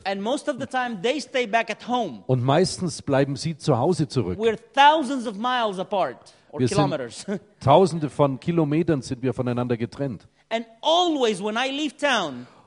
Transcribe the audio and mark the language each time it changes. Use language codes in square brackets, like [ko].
[en] And most of the time they stay back at home. [de] Und meistens bleiben sie zu Hause zurück. [en] We're thousands of miles apart, or kilometers. [de] Tausende von Kilometern sind wir voneinander getrennt. [en] And always when I leave town.